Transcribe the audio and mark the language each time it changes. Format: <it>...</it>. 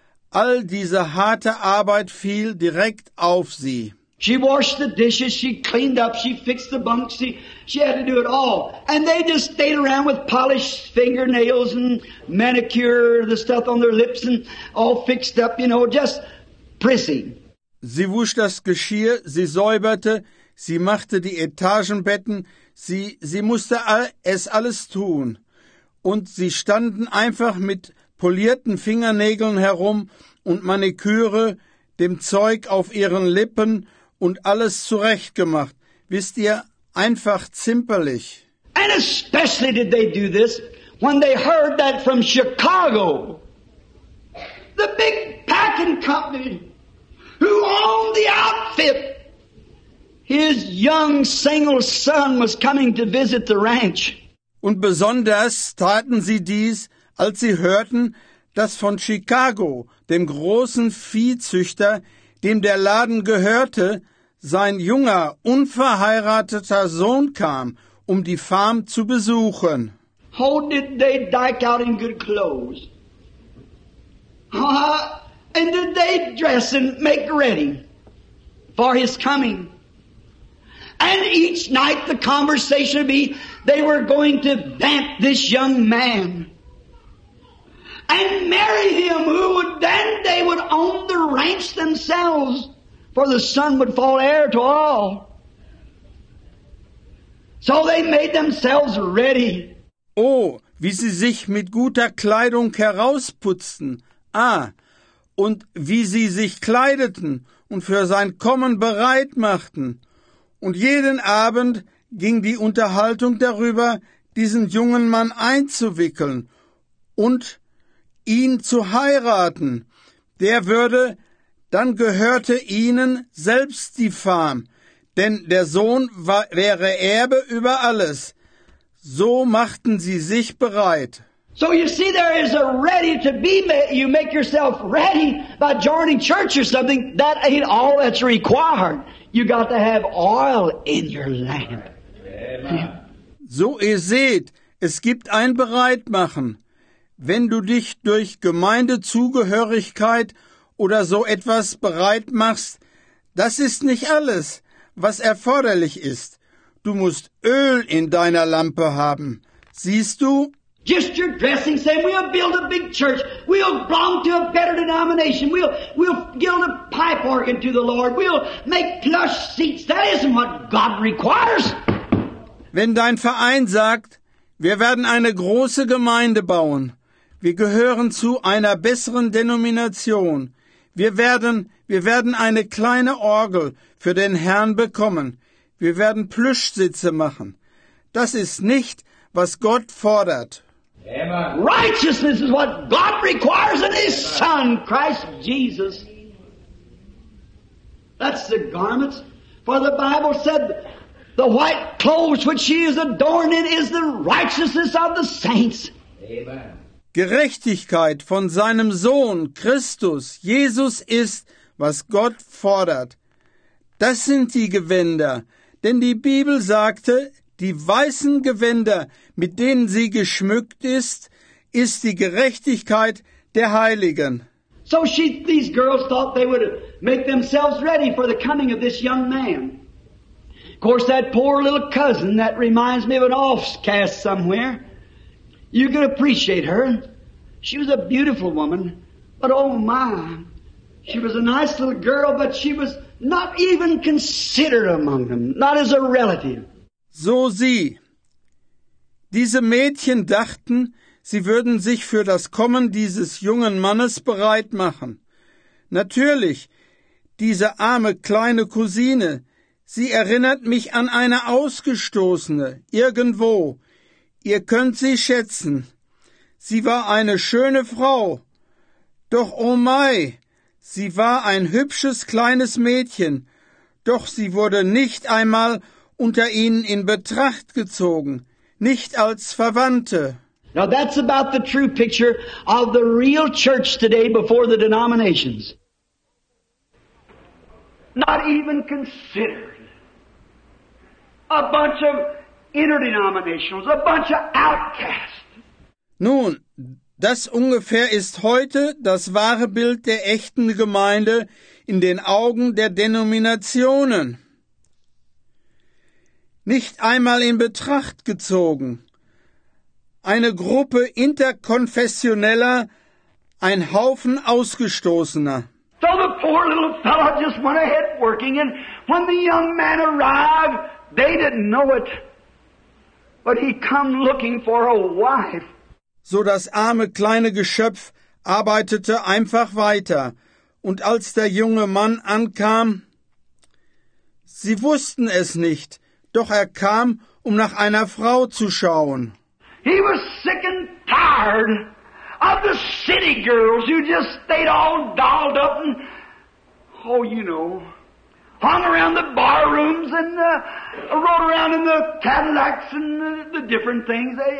<de>All diese harte Arbeit fiel direkt auf sie.</de> <en>She washed the dishes, she cleaned up, she fixed the bunks, she had to do it all. And they just stayed around with polished fingernails and manicure, the stuff on their lips and all fixed up, you know, just prissy.</en> <de>Sie wusch das Geschirr, sie säuberte, sie machte die Etagenbetten, sie musste es alles tun. Und sie standen einfach mit polierten Fingernägeln herum und Maniküre, dem Zeug auf ihren Lippen und alles zurechtgemacht. Wisst ihr, einfach zimperlich.</de> <en>And especially did they do this when they heard that from Chicago, the big packing company who owned the outfit, his young single son was coming to visit the ranch.</en> <de>Und besonders taten sie dies, als sie hörten, dass von Chicago, dem großen Viehzüchter, dem der Laden gehörte, sein junger, unverheirateter Sohn kam, um die Farm zu besuchen.</de> <en>Oh, did they dike out in good clothes? And did they dress and make ready for his coming? And each night the conversation would be, they were going to vamp this young man. And marry him, who would then they would own the ranch themselves, for the son would fall heir to all. So they made themselves ready.</en> <de>Oh, wie sie sich mit guter Kleidung herausputzten. Ah, und wie sie sich kleideten und für sein Kommen bereit machten. Und jeden Abend ging die Unterhaltung darüber, diesen jungen Mann einzuwickeln und ihn zu heiraten. Der würde, dann gehörte ihnen selbst die Farm, denn der Sohn wäre Erbe über alles. So machten sie sich bereit.</de> <en>So you see, there is a ready to be, you make yourself ready by joining church or something. That ain't all that's required. You got to have oil in your lamp.</en> <de>So ihr seht, es gibt ein Bereitmachen. Wenn du dich durch Gemeindezugehörigkeit oder so etwas bereit machst, das ist nicht alles, was erforderlich ist. Du musst Öl in deiner Lampe haben. Siehst du?</de> <en>Just your dressing, saying we'll build a big church. We'll belong to a better denomination. We'll build a pipe organ to the Lord. We'll make plush seats. That isn't what God requires.</en> <de>Wenn dein Verein sagt, wir werden eine große Gemeinde bauen. Wir gehören zu einer besseren Denomination. Wir werden eine kleine Orgel für den Herrn bekommen. Wir werden Plüschsitze machen. Das ist nicht, was Gott fordert. Amen.</de> <en>Righteousness is what God requires in His Son, Christ Jesus. That's the garments. For the Bible said, the white clothes which she is adorned in is the righteousness of the saints. Amen.</en> <de>Gerechtigkeit von seinem Sohn, Christus, Jesus ist, was Gott fordert. Das sind die Gewänder, denn die Bibel sagte, die weißen Gewänder, mit denen sie geschmückt ist, ist die Gerechtigkeit der Heiligen.</de> <en>So these girls thought they would make themselves ready for the coming of this young man. Of course, that poor little cousin that reminds me of an offcast somewhere. You can appreciate her. She was a beautiful woman, but oh my, she was a nice little girl, but she was not even considered among them, not as a relative.</en> <de>So sie. Diese Mädchen dachten, sie würden sich für das Kommen dieses jungen Mannes bereit machen. Natürlich, diese arme kleine Cousine, sie erinnert mich an eine Ausgestoßene, irgendwo. Ihr könnt sie schätzen. Sie war eine schöne Frau. Doch, oh mei, sie war ein hübsches kleines Mädchen. Doch sie wurde nicht einmal unter ihnen in Betracht gezogen, nicht als Verwandte.</de> <en>Now that's about the true picture of the real church today before the denominations. Not even considered. A bunch of interdenominationals, a bunch of outcasts.</en> <de>Nun, das ungefähr ist heute das wahre Bild der echten Gemeinde in den Augen der Denominationen. Nicht einmal in Betracht gezogen. Eine Gruppe interkonfessioneller, ein Haufen Ausgestoßener.</de> <en>So the poor little fellow just went ahead working, and when the young man arrived, they didn't know it. But he come looking for a wife.</en> <de>So das arme kleine Geschöpf arbeitete einfach weiter. Und als der junge Mann ankam, sie wussten es nicht, doch er kam, um nach einer Frau zu schauen.</de> <en>He was sick and tired of the city girls who just stayed all dolled up and, oh, you know, hung around the bar rooms and rode around in the Cadillacs and the different things.</en>